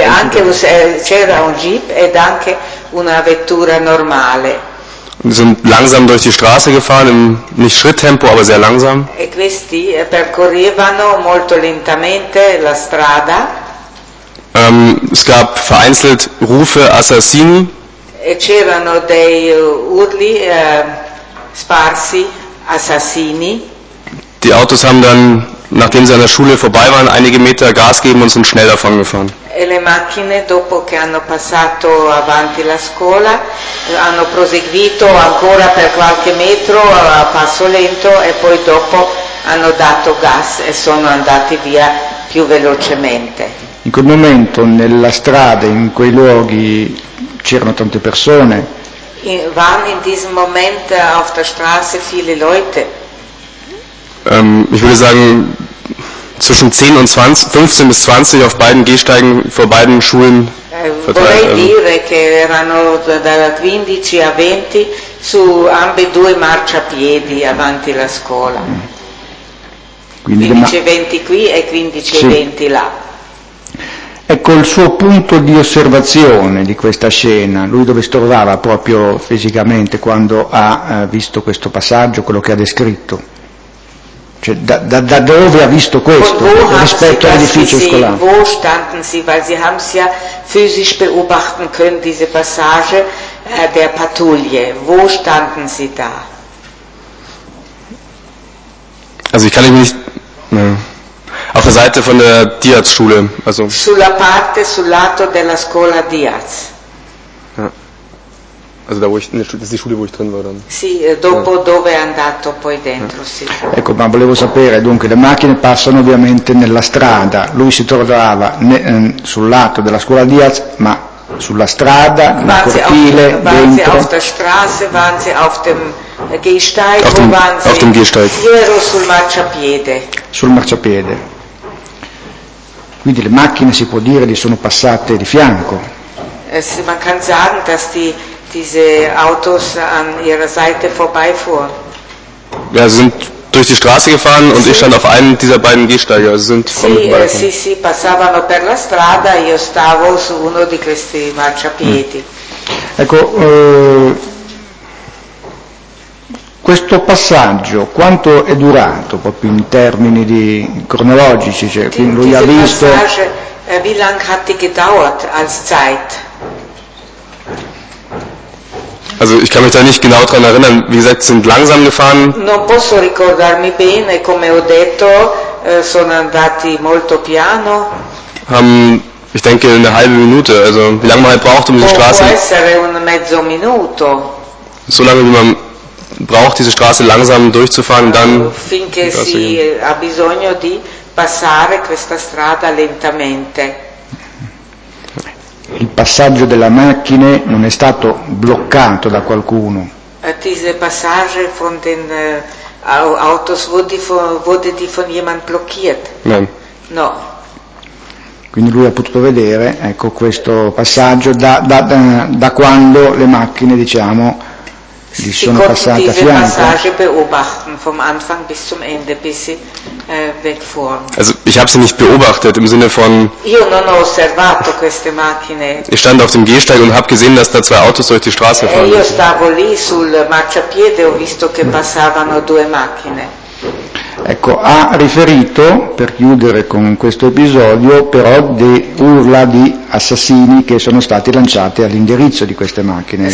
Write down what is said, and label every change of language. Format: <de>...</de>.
<it>Anche, c'era un Jeep ed anche una vettura normale.</it> <de>Wir sind langsam durch die Straße gefahren, im nicht Schritttempo, aber sehr langsam.</de> <it>E questi percorrevano molto lentamente la strada.</it> <de>Es gab vereinzelt Rufe Assassini.</de> <it>E c'erano dei urli sparsi Assassini.</it> <de>Die Autos haben dann, nachdem sie an der Schule vorbei waren, einige Meter Gas gegeben und sind schnell davon gefahren.</de> <it>E le macchine, dopo che hanno passato avanti la scuola, hanno proseguito ancora per qualche metro a passo lento e poi dopo hanno dato gas e sono andati via più velocemente. In quel momento, nella strada, in quei luoghi, c'erano tante persone.</it> <de>Waren in diesem Moment auf der Straße viele Leute? Ich würde sagen, zwischen 10 und 20, 15 bis 20 auf beiden Gehsteigen vor beiden Schulen verteilt.</de> <it>Vorrei dire che erano da 15 a 20 su ambedue marciapiedi avanti la scuola. 15-20 qui e 15-20 là. Ecco il suo punto di osservazione di questa scena, lui dove si trovava proprio fisicamente quando ha visto questo passaggio, quello che ha descritto? Cioè, da dove ha visto questo rispetto all'edificio scolastico?</it> <de>Wo standen Sie, weil Sie haben es ja physisch beobachten können, diese Passage der Patrouille. Wo standen Sie da? Also ich kann mich nicht... auf der Seite von der Diaz-Schule. Also.</de> <it>Sulla parte, sul lato della scuola Diaz.</it> <de>Ja. Also da wo ich in der Schule, das ist die Schule, wo ich drin war dann.</de> <it>Sì, dopo ja. Dove è andato poi dentro, ja. Sì. Ecco, ma volevo sapere, dunque, le macchine passano ovviamente nella strada. Lui si trovava sul lato della scuola Diaz, ma sulla strada, nel cortile, dentro.</it> <de>Waren Sie auf der Straße, waren Sie auf dem Gehsteig, auf dem, wo waren Sie? Auf dem Gehsteig.</de> <it>Io ero sul marciapiede. Sul marciapiede. Quindi le macchine si può dire che sono passate di fianco.</it> <de>Man kann sagen, dass diese Autos an ihrer Seite vorbeifuhren. Ja, sie sind durch die Straße gefahren und ich stand auf einem dieser beiden Gehsteige. Also sind</de> <it>sie passavano per la strada, io stavo su uno di questi marciapiedi. Ecco, questo passaggio quanto è durato proprio in termini di cronologici, cioè quindi lui ha visto.</it> <de>Wie lang hat die gedauert als Zeit? Also ich kann mich da nicht genau dran erinnern. Wie gesagt, sind langsam gefahren.</de> <it>Non posso ricordarmi bene, come ho detto, sono andati molto piano.</it> <de>Ich denke eine halbe Minute. Also wie lange man halt braucht, um diese Straße.</de> <it>Può essere un mezzo minuto.</it> <de>So lange wie man braucht, diese Straße langsam durchzufahren, und dann.</de> <it>Finché si ha bisogno di passare questa strada lentamente. Il passaggio della macchina non è stato bloccato da qualcuno.</it> <de>Diese Passage von den Autos wurde die von jemand blockiert? Nein.</de> <it>No. Quindi lui ha potuto vedere, ecco, questo passaggio da quando le macchine, diciamo, gli sono passate a fianco.</it> <de>Diese Passage beobachten vom Anfang bis zum Ende, bis sie wegfuhren. Also ich habe sie nicht beobachtet im Sinne von.</de> <it>Io non ho osservato queste macchine.</it> <de>Ich stand auf dem Gehsteig und habe gesehen, dass da zwei Autos durch die Straße fahren.</de> <it>Io stavo lì sul marciapiede, ho visto che passavano due macchine. Ecco, ha riferito, per chiudere con questo episodio, però di urla di assassini che sono stati lanciati all'indirizzo di queste macchine.</it>